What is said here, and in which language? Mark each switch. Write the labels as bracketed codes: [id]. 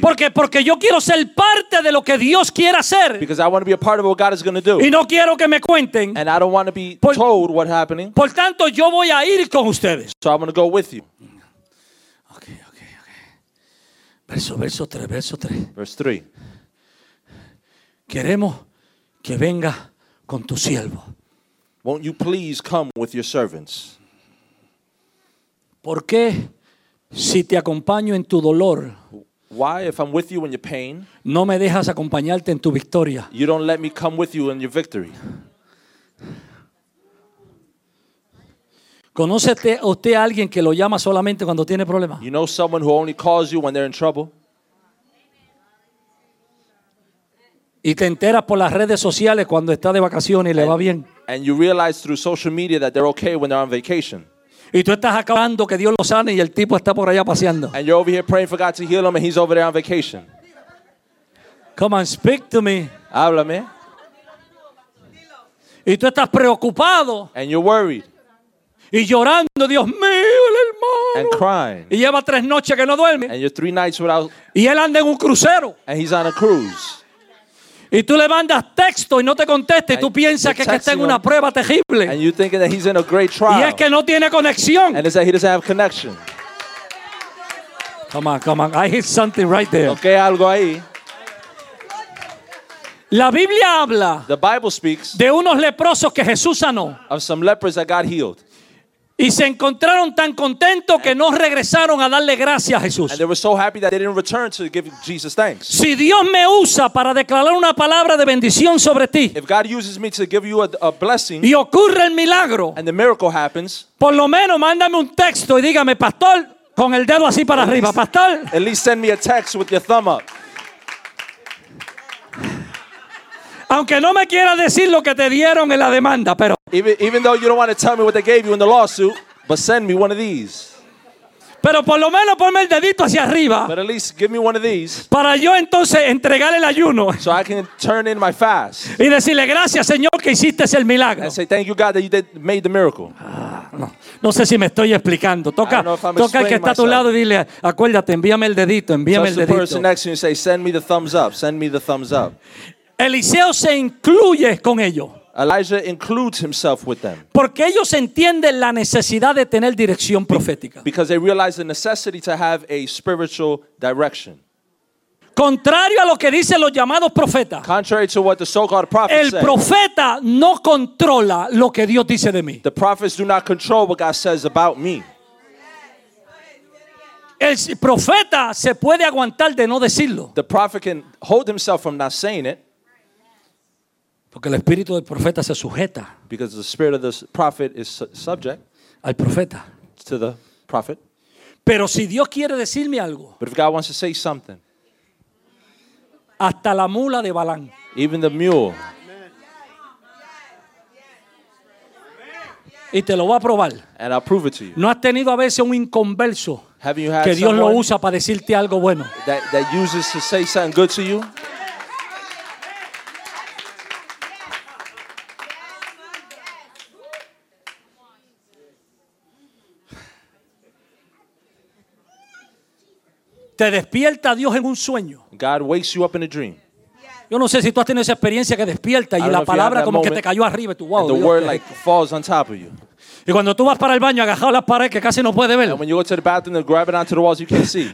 [es] Porque yo quiero ser parte de lo que Dios quiere hacer. [en] Because I want to be a part of what God is going to do. [es] Y no quiero que me cuenten. [en] And I don't want to be told what's happening. [es] Por tanto, yo voy a ir con ustedes. [en] So I'm going to go with you. [es] Okay, okay, okay. Verso 3. [en] Verse 3. [es] Queremos que venga con tu siervo. [en] Won't you please come with your servants? [es] ¿Por qué si te acompaño en tu dolor? [en] Why if I'm with you in your pain? [es] No me dejas acompañarte en tu victoria. [en] You don't let me come with you in your victory. [es] ¿Conoce usted a alguien que lo llama solamente cuando tiene problemas? [en] You know someone who only calls you when they're in trouble? [es] Y te enteras por las redes sociales cuando está de vacaciones y le va bien. [en] And you realize through social media that they're okay when they're on vacation. [es] Y tú estás acabando que Dios lo sane y el tipo está por allá paseando. [en] And you're over here praying for God to heal him and he's over there on vacation. Come on, speak to me. [es] Háblame. Y tú estás preocupado. [en] And you're worried. [es] Y llorando, Dios mío, el hermano. [en] And crying. [es] Y lleva tres noches que no duerme. [en] And you're three nights without. [es] Y él anda en un crucero. [en] And he's on a cruise. [es] Y tú le mandas texto y no te contesta y tú piensas que está en una prueba terrible. [en] And you're thinking that he's in a great trial. [es] Y es que no tiene conexión. [en] And it's that he doesn't have connection. Come on, come on. I hit something right there. [es] Okay, algo ahí. La Biblia habla. [en] The Bible speaks. [es] De unos leprosos que Jesús sanó. [en] Of some lepers that God healed. [es] Y se encontraron tan contentos que no regresaron a darle gracias a Jesús. [en] And they were so happy that they didn't return to give Jesus thanks. [es] Si Dios me usa para declarar una palabra de bendición sobre ti. [en] If God uses me to give you a blessing. [es] Y ocurre el milagro. [en] And the miracle happens. [es] Por lo menos mándame un texto y dígame, pastor, con el dedo así para arriba, pastor. [en] At least send me a text with your thumb up. [es] Aunque no me quieras decir lo que te dieron en la demanda, pero [en] even though you don't want to tell me what they gave you in the lawsuit, but send me one of these. [es] Pero por lo menos ponme el dedito hacia arriba. [en] But at least give me one of these. [es] Para yo entonces entregar el ayuno. [en] So I can turn in my fast. [es] Y decirle gracias, Señor, que hiciste el milagro. [en] And say thank you, God, that you made the miracle. [es] No sé si me estoy explicando. Toca al que está a tu lado y dile, acuérdate, envíame el dedito. [en] Touch the person next to you and say, send me the thumbs up. Send me the thumbs up. [es] Eliseo se incluye con ellos. [en] Elijah includes himself with them. [es] Porque ellos entienden la necesidad de tener dirección profética. [en] Because they realize the necessity to have a spiritual direction. [es] Contrario a lo que dicen los llamados profetas. [en] Contrary to what the so-called prophets [es] el profeta [en] say, [es] no controla lo que Dios dice de mí. [en] The prophets do not control what God says about me. [es] El El profeta se puede aguantar de no decirlo. [en] The prophet can hold himself from not saying it. [es] Porque el espíritu del profeta se sujeta. [en] Because the spirit of the prophet is subject. [es] Al profeta. [en] To the prophet. [es] Pero si Dios quiere decirme algo. [en] But if God wants to say something. [es] Hasta la mula de Balán. [en] Even the mule. [es] Y te lo voy a probar. [en] And I'll prove it to you. [es] ¿No has tenido a veces un inconverso que Dios lo usa para decirte algo bueno? [en] That uses to say something good to you? [es] Te despierta Dios en un sueño. [en] God wakes you up in a dream. [es] Yo no sé si tú has tenido esa experiencia que despierta y la palabra como que te cayó arriba y tú, wow, [en] the word like falls on top of you. [es] Y cuando tú vas para el baño agarrado a las paredes que casi no puedes ver. [en] And when you go to the bathroom and grab it onto the walls you can't see.